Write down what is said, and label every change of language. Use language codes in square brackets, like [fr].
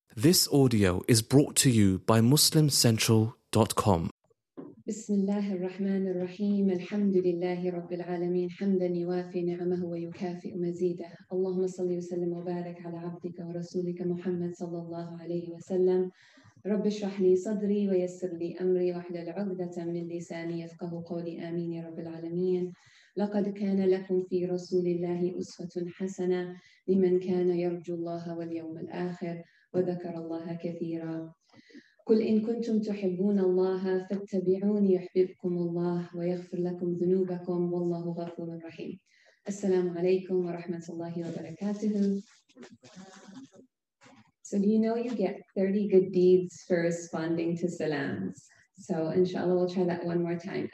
[en] This audio is brought to you by MuslimCentral.com. [ar] بسم الله الرحمن الرحيم الحمد لله رب العالمين حمدا يوافي نعمه ويكافئ مزيده اللهم صل وسلم وبارك على عبدك ورسولك محمد صلى الله عليه وسلم رب اشرح لي صدري ويسر لي أمري واحلل عقدة من لساني يفقه قولي آمين يا رب العالمين لقد كان لكم في رسول الله أسوة حسنة لمن كان يرجو الله واليوم الآخر وذكر الله كثيرا قل إن كنتم تحبون الله فاتبعوني يحببكم الله ويغفر لكم ذنوبكم والله غفور رحيم السلام عليكم ورحمة الله وبركاته. [en] So do you know you get 30 good deeds for responding to salams? So inshallah, we'll try that one more time.